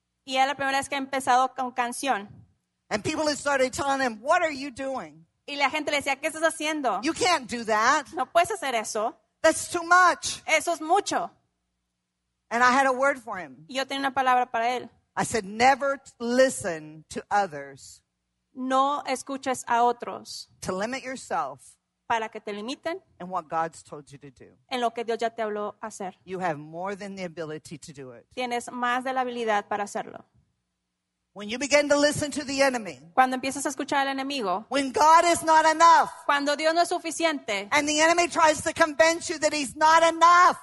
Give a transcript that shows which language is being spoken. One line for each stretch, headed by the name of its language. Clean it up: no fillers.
Spanish: Y era la primera vez que ha empezado con Canción.
English: And people had started telling him, "What are you doing?"
Spanish: Y la gente le decía, ¿qué estás haciendo?
English: You can't do that.
Spanish: No puedes hacer eso.
English: That's too much.
Spanish: Eso es mucho.
English: And I had a word for him.
Spanish: Yo tenía una palabra para él.
English: I said, never listen to others.
Spanish: No escuches a otros.
English: To limit yourself.
Spanish: Para que te limiten.
English: And what God's told you to do.
Spanish: En lo que Dios ya te habló hacer.
English: You have more than the ability to do it.
Spanish: Tienes más de la habilidad para hacerlo.
English: When you begin to listen to the enemy.
Spanish: Cuando empiezas a escuchar al enemigo.
English: When God is not enough.
Spanish: Cuando Dios no es suficiente.
English: And the enemy tries to convince you that he's not enough.